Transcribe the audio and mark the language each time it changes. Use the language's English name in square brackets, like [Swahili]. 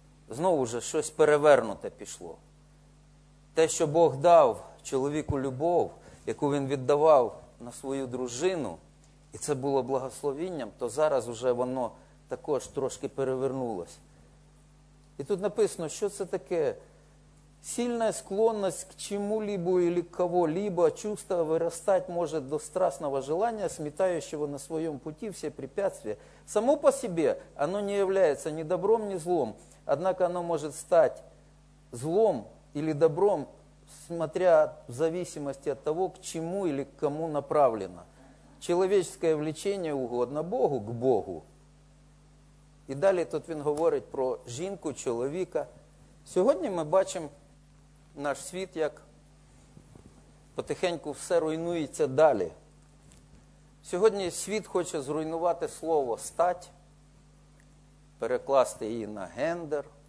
[Ukrainian] Знову ж, щось перевернуте пішло. Те, що Бог дав чоловіку любов, яку він віддавав на свою дружину, і це було благословінням, то зараз уже воно також трошки перевернулося. І тут написано, що це таке [Russian] Сильная склонность к чему-либо или кого-либо чувство вырастать может до страстного желания, сметающего на своем пути все препятствия. Само по себе оно не является ни добром, ни злом, однако оно может стать злом или добром, смотря в зависимости от того, к чему или к кому направлено. Человеческое влечение угодно Богу, к Богу. [Ukrainian] І далі тут він говорить про жінку, чоловіка. Сьогодні ми бачимо наш світ, як потихеньку все руйнується далі. Сьогодні світ хоче зруйнувати слово «стать», перекласти її на гендер.